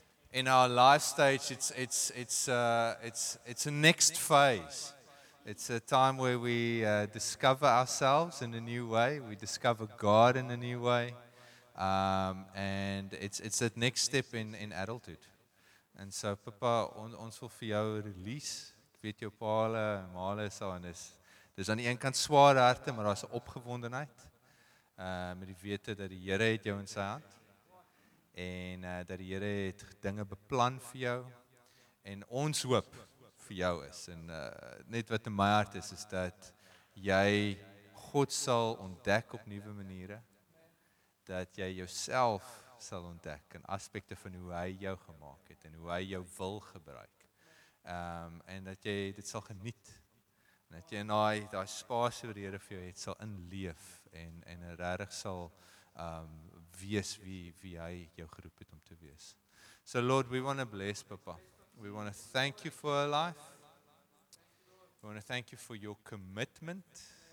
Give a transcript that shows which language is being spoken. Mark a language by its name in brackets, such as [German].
[English] In our life stage, it's a next phase. It's a time where we discover ourselves in a new way. We discover God in a new way, and it's that next step in adulthood. [Afrikaans] And so, Papa, ons wil vir jou release. Ek weet jou paal en maal is al en is. Dis aan die een kant swaar harte, maar daar's 'n opgewondenheid met die wete dat die Here het jou in sy hand. En dat die Here het dinge beplan vir jou, en ons hoop vir jou is, en net wat in my hart is, is dat jy God sal ontdek op nuwe maniere, dat jy jouself sal ontdek in aspekte van hoe hy jou gemaak het, en hoe hy jou wil gebruik, en dat jy dit sal geniet, en dat jy in die spasie wat die Here vir jou het, sal inleef, en regtig sal wees wie hy jou geroep het om te wees. [English] So Lord, we want to bless Papa. We want to thank you for her life. We want to thank you for your commitment.